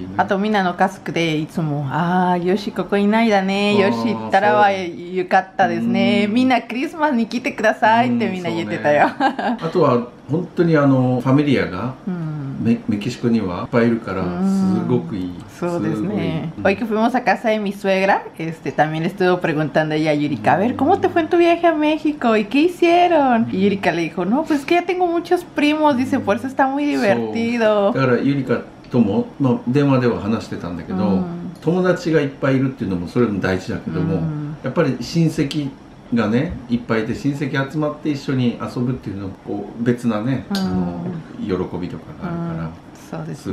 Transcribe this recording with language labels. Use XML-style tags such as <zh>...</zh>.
<ja>ね。あとみんなの家族でいつも、あーよしここいないだね、よし行ったらはよかったですね、みんなクリスマスに来てくださいってみんな言ってたよ、ね、あとは本当にあのファミリアが、うん、メキシコにはいっぱいいるからすごくいい、うん、そうですね。すごい、うん、</ja> <es>hoy que fuimos a casa de mi suegra, también le estuvo preguntando ella a Yurika, a ver, ¿cómo te fue en tu viaje a México? ¿Y qué hicieron? Y Yurika le dijo, no, pues es que ya tengo muchos primos, dice, por eso está muy divertido.</es> <ja>だから Yurika とも、まあ、電話では話してたんだけど、うん、友達がいっぱいいるっていうのもそれも大事だけども、うん、やっぱり親戚がね、いっぱいいて親戚集まって一緒に遊ぶっていうのは別なね、うん、あの喜びとかがあるから、うん、そうですね、</ja>